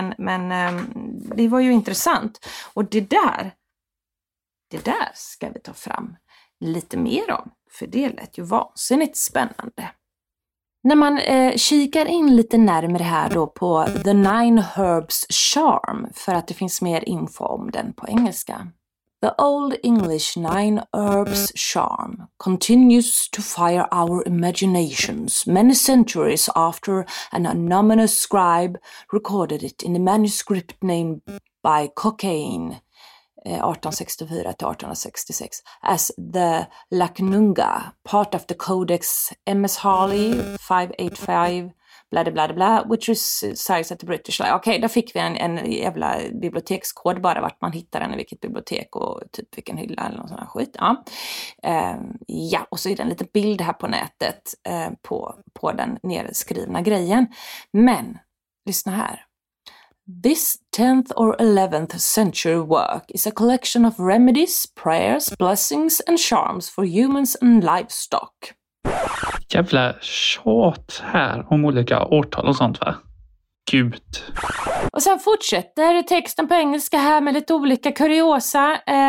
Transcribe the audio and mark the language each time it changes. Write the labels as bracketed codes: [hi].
[sv] Men det var ju intressant. Och det där ska vi ta fram lite mer om. För det lät ju vansinnigt spännande. När man kikar in lite närmare här då på The Nine Herbs Charm, för att det finns mer info om den på engelska. [en] The Old English Nine Herbs Charm continues to fire our imaginations many centuries after an anonymous scribe recorded it in a manuscript named by Cocaine 1864-1866 as the Lacnunga, part of the Codex MS Harley 585 bla bla bla, which resides at the British Library. [sv] Okej, okay, då fick vi en jävla bibliotekskod, bara vart man hittar den i vilket bibliotek och typ vilken hylla eller någon sån här skit. Ja. Ja, och så är det en liten bild här på nätet på den nedskrivna grejen. Men, lyssna här. [en] This 10th or 11th century work is a collection of remedies, prayers, blessings and charms for humans and livestock. [sv] Jävla tjat här om olika årtal och sånt, va? Gud. Och sen fortsätter texten på engelska här med lite olika kuriosa.